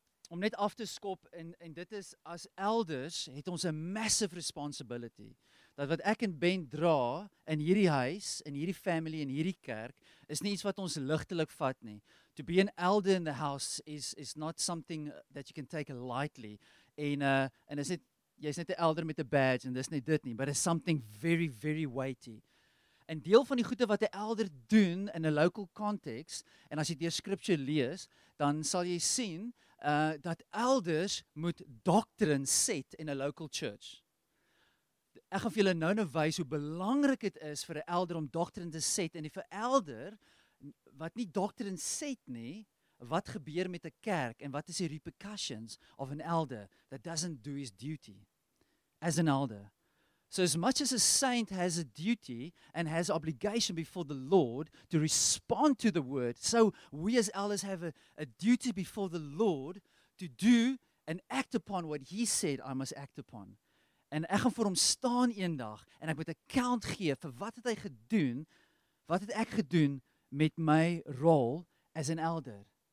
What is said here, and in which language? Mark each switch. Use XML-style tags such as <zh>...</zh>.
<af>Om net af te skop en dit is as elders het ons 'n massive responsibility dat wat ek en Ben dra in hierdie huis, in hierdie family, in hierdie kerk is nie iets wat ons ligtelik vat nie.</af> <en>To be an elder in the house is not something that you can take lightly.</en> <af>En is net jy's net 'n elder met 'n badge en dis net dit nie,</af> <en>but it's something very very weighty.</en> <af>En deel van die goede wat 'n elder doen in 'n local context en as jy die scripture lees, dan sal jy sien dat elders moet doctrine set in 'n local church. Ek gaan vir julle nou wys hoe belangrik dit is vir 'n elder om doctrine te set en vir 'n elder wat nie doctrine set nie, wat gebeur met 'n kerk en wat is die</af> <en>repercussions of an elder</en> <af>that doesn't do his duty as an elder.</af> <en>So as much as a saint has a duty and has obligation before the Lord to respond to the word, so we as elders have a duty before the Lord to do and act upon what he said I must act upon.</en> <af>En ek gaan voor hom staan eendag en ek moet account gee vir wat het hy gedoen, wat het ek gedoen met my role</af> <en>as an elder.</en>